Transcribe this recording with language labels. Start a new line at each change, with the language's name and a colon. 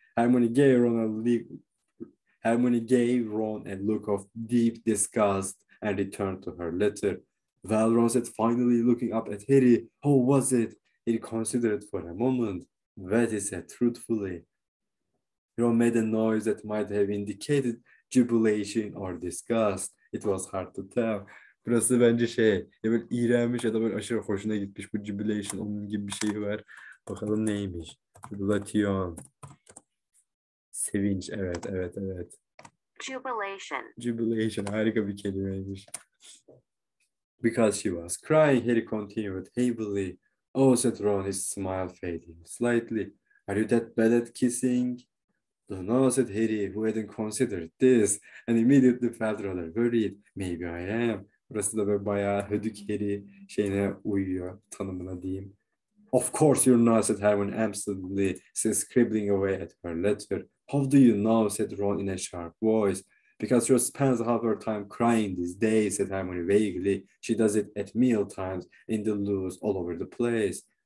English: Hermione gave Ron a look of deep disgust and returned to her letter. Well, Ron said, finally looking up at Harry, how was it? He considered for a moment. What he said truthfully. Ron made a noise that might have indicated jubilation or disgust. It was hard to tell.
Turkish: Burası bence şey, ya böyle iğrenmiş ya da böyle aşırı hoşuna gitmiş bu jubilation onun gibi bir şey var. Bakalım neymiş? Jubilation. Sevinç, evet, evet, evet.
English: Jubilation.
Turkish: Jubilation, harika bir kelimeymiş.
English: Because she was crying, Harry continued heavily. Oh, said Ron, his smile fading slightly. Are you that bad at kissing? Don't know, said Harry, who hadn't considered this, and immediately felt rather worried. Maybe I am.
Turkish: Burası da böyle bayağı hödük Harry şeyine uyuyor, tanımına diyeyim.
English: Of course you're not, said Hermione absently, since scribbling away at her letter. How do you know, said Ron in a sharp voice. Because she spends half her time crying these days, said Hermione vaguely. She does it at meal times, in the loos, all over the place.